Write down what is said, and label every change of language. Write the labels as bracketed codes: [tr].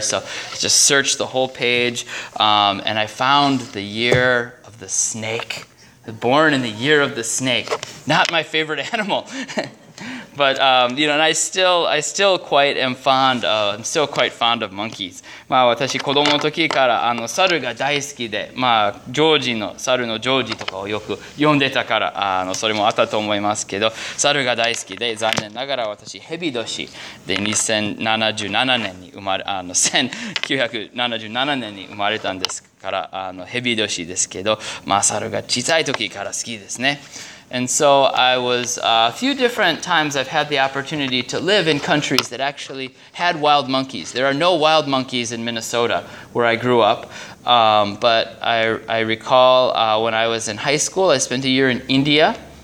[en] So I just searched the whole page. And I found the year of the snake. Born in the year of the snake. Not my favorite animal. But, and I still quite am fond of, I'm still quite fond of monkeys. [ja] まあ、私、子供の時から、猿が大好きで、まあ、ジョージの、猿のジョージとかをよく読んでたから、それもあったと思いますけど、猿が大好きで、残念ながら私、蛇年で1977年に生まれたんですから、蛇年ですけど、まあ、猿が小さい時から好きですね。 [en] And so I was, a few different times I've had the opportunity to live in countries that actually had wild monkeys. There are no wild monkeys in Minnesota where I grew up. But I recall when I was in high school, I spent a year in India.